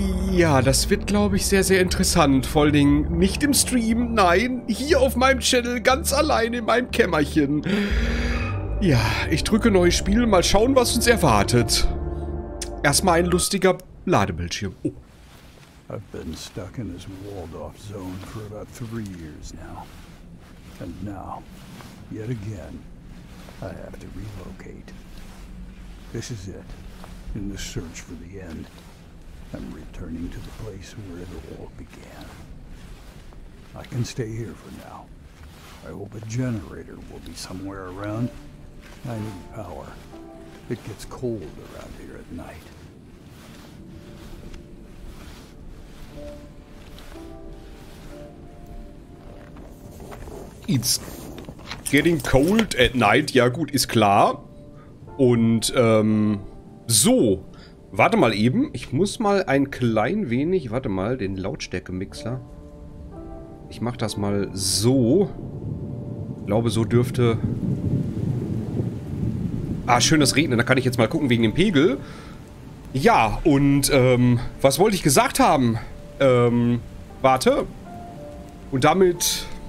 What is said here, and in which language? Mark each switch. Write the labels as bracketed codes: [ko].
[de] Ja, das wird, glaube ich, sehr, sehr interessant. Vor allen Dingen nicht im Stream, nein, hier auf meinem Channel, ganz allein in meinem Kämmerchen. Ja, ich drücke neues Spiel, mal schauen, was uns erwartet. Erstmal ein lustiger Ladebildschirm. Oh. [en] I've been stuck in this walled-off zone for about 3 years now. And now, yet again, I have to relocate. This is it, in the search for the end. I'm returning to the place where it all began. I can stay here for now. I hope a generator will be somewhere around. I need power. It gets cold around here at night. It's getting cold at night. [de] Ja gut, ist klar. Und so. Warte mal eben, ich muss mal ein klein wenig, warte mal, den Lautstärke-Mixer. Ich mach das mal so. Ich glaube, so dürfte... Ah, schön, das Regnen, da kann ich jetzt mal gucken wegen dem Pegel. Ja, und was wollte ich gesagt haben? Warte. Und damit...